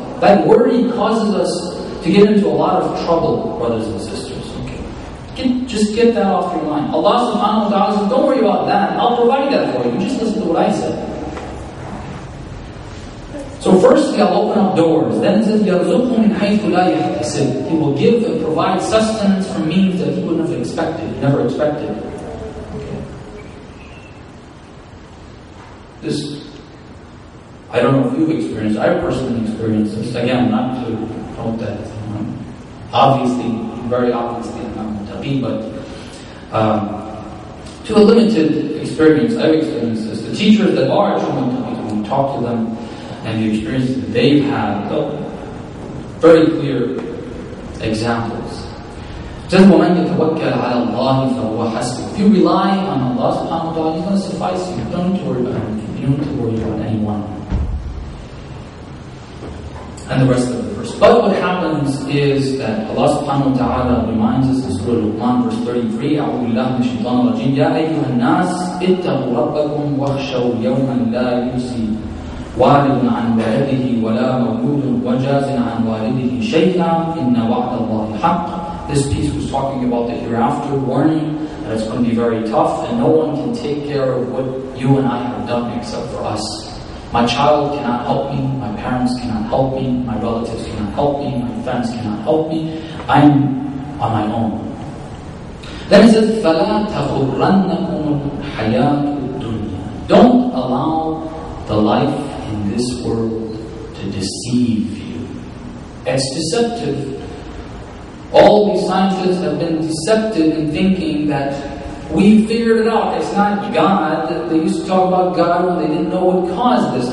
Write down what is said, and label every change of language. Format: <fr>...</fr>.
<en>That worry causes us to get into a lot of trouble, brothers and sisters. Okay. Just get that off your mind. Allah subhanahu wa ta'ala says, don't worry about that. I'll provide that for you. Just listen to what I said. So firstly, I'll open up doors. Then it says,</en> <ar>يَرْزُقُ مِنْ حَيْثُ لَا يَحْتَسِبُ.</ar> <en>He will give and provide sustenance from means that he wouldn't have expected, never expected. Okay. This, I don't know if you've experienced, I personally experienced this. Again, not to quote that. Obviously, very obviously, I'm not a tabi, but to a limited experience. I've experienced this. The teachers that are trying to talk to them, and the experience that they've had, very clear examples. Just when you tawakkal ala Allah, if you rely on Allah subhanahu wa ta'ala, he's going to suffice you. You don't need to worry about anything. You don't need to worry about anyone. And the rest of the verse. But what happens is that Allah subhanahu wa ta'ala reminds us in Surah Luqman, verse 33,</en> <ar>أعوذ بالله من الشيطان الرجيم يا أيها الناس اتقوا ربكم واخشوا يوما لا يجزي والد عن والده ولا مولود وجاز عن والده شيئا إن وعد الله حق.</ar> <en>This piece was talking about the hereafter warning, that it's going to be very tough, and no one can take care of what you and I have done except for us. My child cannot help me, my parents cannot help me, my relatives cannot help me, my friends cannot help me, I'm on my own. Then he says,</en> <ar>فَلَا تَغُرَّنَّكُمُ الْحَيَاةُ الدُّنْيَا.</ar> <en>Don't allow the life in this world to deceive you. It's deceptive. All these scientists have been deceptive in thinking that we figured it out. It's not God. They used to talk about God when they didn't know what caused this.</en>